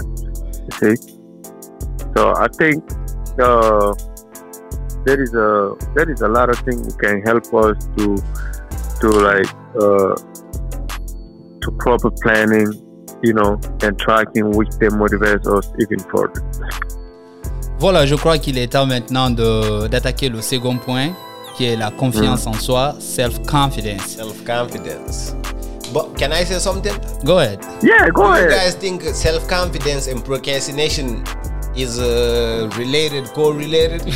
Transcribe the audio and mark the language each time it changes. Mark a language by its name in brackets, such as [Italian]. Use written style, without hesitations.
[English] You see, so I think there is a lot of things that can help us to proper planning, you know, and tracking which they motivate us even further. [French] Voilà, je crois qu'il est temps maintenant d'attaquer le second point, qui est la confiance en soi, self-confidence. [English] Self-confidence. But can I say something? Go ahead. Yeah, go ahead. Do you guys think self-confidence and procrastination is related, correlated?